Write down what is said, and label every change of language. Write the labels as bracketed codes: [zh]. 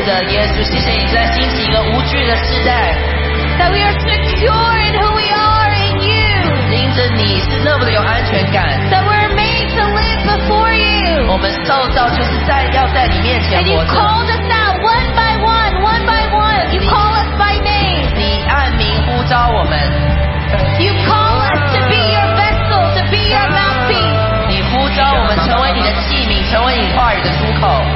[zh] 耶稣，谢谢你在兴起一个无惧的时代。 [en] That we are secure in who we are in you. [zh] 因着你是那么的有安全感。 [en] That we're made to live before you. [zh] 我们受造就是在要在你面前活着。 [en] And you called us out one by one, one by one. You call us by name. [zh] 你按名呼召我们。 [en] You call us to be your vessel, to be your mouthpiece. [zh] 你呼召我们成为你的器皿，成为你话语的出口。